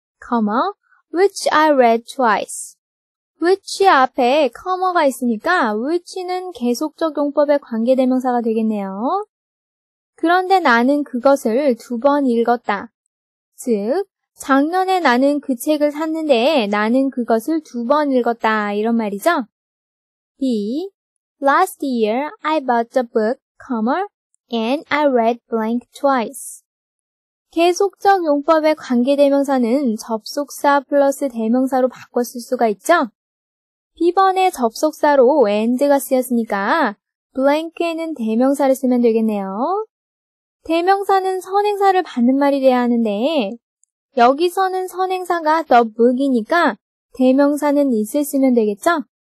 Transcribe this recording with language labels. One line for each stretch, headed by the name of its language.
English: comma which I read twice.
Korean: which 앞에 comma가 있으니까 which는 계속적용법의 관계대명사가 되겠네요. 그런데 나는 그것을 두 번 읽었다. 즉, 작년에 나는 그 책을 샀는데 나는 그것을 두 번 읽었다. 이런 말이죠. B.
English: Last year I bought the book, comma, and I read blank twice.
Korean: 계속적 용법의 관계대명사는 접속사 플러스 대명사로 바꿨을 수가 있죠? B번의 접속사로 and가 쓰였으니까 blank에는 대명사를 쓰면 되겠네요. 대명사는 선행사를 받는 말이 돼야 하는데 여기서는 선행사가 the book이니까 대명사는 it을 쓰면 되겠죠?